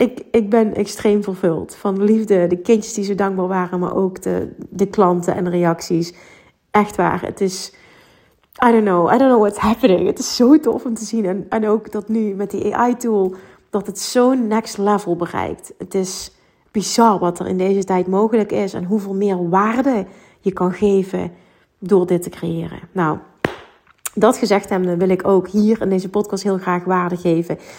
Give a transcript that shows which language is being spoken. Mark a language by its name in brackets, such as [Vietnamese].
[Dutch] Ik ben extreem vervuld van liefde. De kindjes die zo dankbaar waren, maar ook de klanten en de reacties. Echt waar. Het is, [English] I don't know what's happening. [Dutch] Het is zo tof om te zien. En ook dat nu met die AI-tool, dat het zo'n next level bereikt. Het is bizar wat er in deze tijd mogelijk is. En hoeveel meer waarde je kan geven door dit te creëren. Nou, dat gezegd hebbende wil ik ook hier in deze podcast heel graag waarde geven.